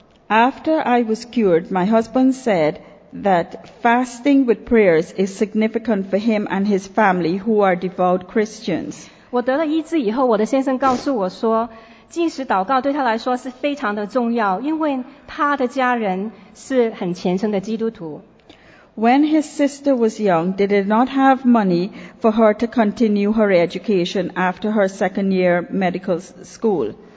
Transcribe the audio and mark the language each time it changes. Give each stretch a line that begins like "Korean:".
English: After I was cured, my husband said that fasting with prayers is significant for him and his family who are devout Christians.
Chinese: 我得了医治以后，我的先生告诉我说， 禁食祷告对他来说是非常的重要，因为他的家人是很虔诚的基督徒。
English: When his sister was young, they did not have money for her to continue her education after her second year medical school.